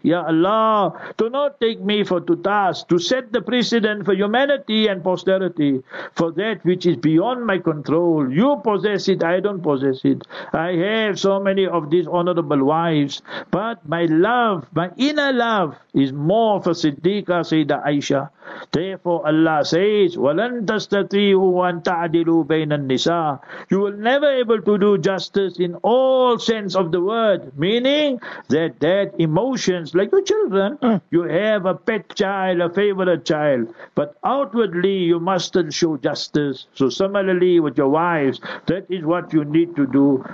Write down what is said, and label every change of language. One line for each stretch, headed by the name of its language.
English: Ya Allah, do not take me for to task, to set the precedent for humanity and posterity, for that which is beyond my control. You possess it, I don't possess it. I have so many of these honorable wives, but my love, my inner love is more for Siddiqa Sayyidina Aisha. Therefore Allah says,
Arabic: وَلَن تَسْتَطِيهُ وَأَن تَعْدِلُوا بَيْنَ النِّسَاءِ.
English: You will never able to do justice in all sense of the word, meaning that emotions, like your children, you have a pet child, a favorite child, but outwardly you mustn't show justice. So similarly with your wives, that is what you need to do.